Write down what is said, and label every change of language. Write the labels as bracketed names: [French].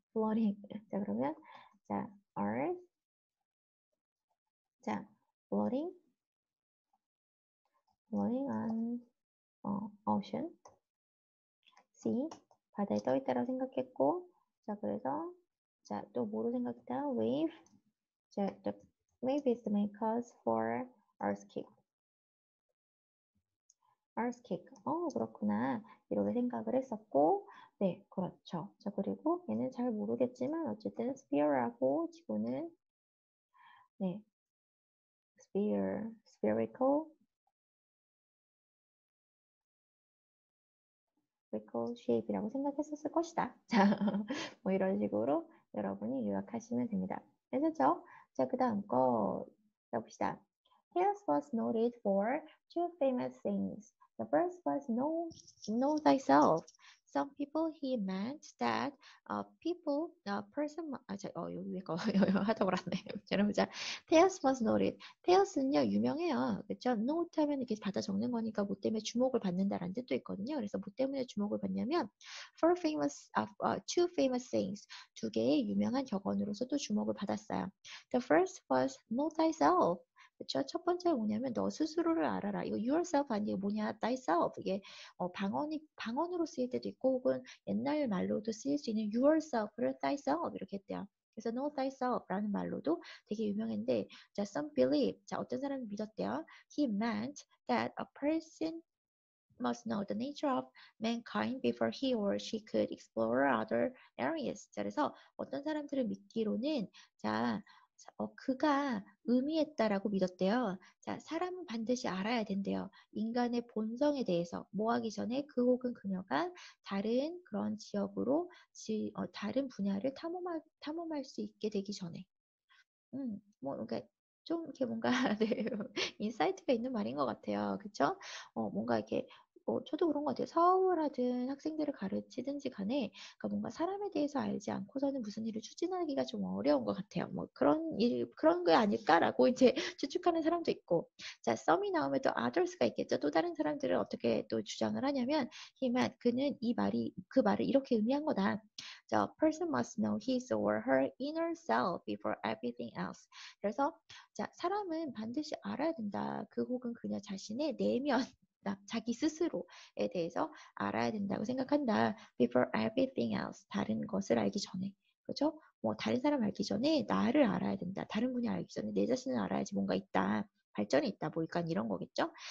[Korean] 플로팅. 자, 그러면 자, Earth. 자, 플로팅. [English] 플로팅 on ocean. Sea. [Korean] 바다에 떠 있다라고 생각했고. 자, 그래서 자, 또 뭐로 생각했다? [English] Wave. 자, the wave is the main cause for earthquake. [Korean] Earthquake. 그렇구나. 이렇게 생각을 했었고, 네, 그렇죠. 자, 그리고 얘는 잘 모르겠지만, 어쨌든 sphere라고 지구는, 네, sphere, spherical shape이라고 생각했었을 것이다. 자, 뭐 이런 식으로 여러분이 요약하시면 됩니다. 괜찮죠? 자, 그 다음 거, 봅시다. [English] Hales was noted for two famous things. The first was know thyself. Some people he meant that people, the person, [Korean] 여기 거 하다 말았네. 여러분, Thales was noted. Thales는요, 유명해요. 그렇죠? Note 하면 이렇게 받아 적는 거니까 뭐 때문에 주목을 받는다라는 뜻도 있거든요. 그래서 뭐 때문에 주목을 받냐면 [English] for famous, two famous things. [Korean] 두 개의 유명한 격언으로서도 주목을 받았어요. [English] The first was know thyself. [Korean] 그렇죠? 첫 번째가 뭐냐면 너 스스로를 알아라. 이거 yourself 아니고 뭐냐? thyself. 이게 방언으로 쓰일 때도 있고 혹은 옛날 말로도 쓰일 수 있는 yourself를 thyself 이렇게 했대요. 그래서 [English] know thyself [Korean] 라는 말로도 되게 유명했는데 자, [English] some believe. [Korean] 자, 어떤 사람이 믿었대요. [English] He meant that a person must know the nature of mankind before he or she could explore other areas. [Korean] 자, 그래서 어떤 사람들을 믿기로는 자, 그가 의미했다라고 믿었대요. 자, 사람은 반드시 알아야 된대요. 인간의 본성에 대해서 뭐 하기 전에 그 혹은 그녀가 다른 그런 지역으로 다른 분야를 탐험할 수 있게 되기 전에. 좀 이렇게 뭔가 네, 인사이트가 있는 말인 것 같아요. 그렇죠? 뭔가 이렇게 저도 그런 것 같아요. 사업을 하든 학생들을 가르치든지 간에 그러니까 뭔가 사람에 대해서 알지 않고서는 무슨 일을 추진하기가 좀 어려운 것 같아요. 뭐 그런 게 아닐까라고 이제 추측하는 사람도 있고. 자, some이 나오면 또 others가 있겠죠. 또 다른 사람들은 어떻게 또 주장을 하냐면, [English] he meant [Korean] 그는 이 말이 그 말을 이렇게 의미한 거다. [English] The person must know his or her inner self before everything else. [Korean] 그래서 자, 사람은 반드시 알아야 된다. 그 혹은 그녀 자신의 내면. 자기 스스로에 대해서 알아야 된다고 생각한다. [English] Before everything else, [Korean] 다른 것을 알기 전에, 그렇죠? 뭐 다른 사람 알기 전에 나를 알아야 된다. 다른 분야 알기 전에 내 자신을 알아야지 뭔가 있다, 발전이 있다, 뭐 약간 이런 거겠죠?